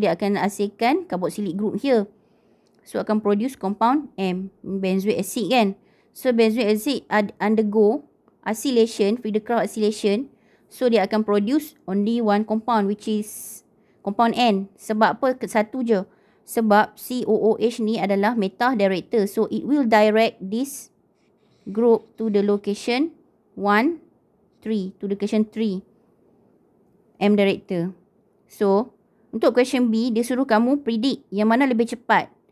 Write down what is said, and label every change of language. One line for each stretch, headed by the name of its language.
English: So,
Malay: dia akan hasilkan
English: carboxylic group here. So, akan produce compound M. Benzoic acid kan. So, benzoic acid undergo acylation, Friedekraut acylation. So,
Malay: dia akan
English: produce only one compound which is compound N.
Malay: Sebab apa? Satu je. Sebab COOH ni adalah meta director.
English: So, it will direct this group to the location 1, 3. To the location 3. M director.
Malay: So, untuk question B, dia suruh kamu predict yang mana lebih cepat.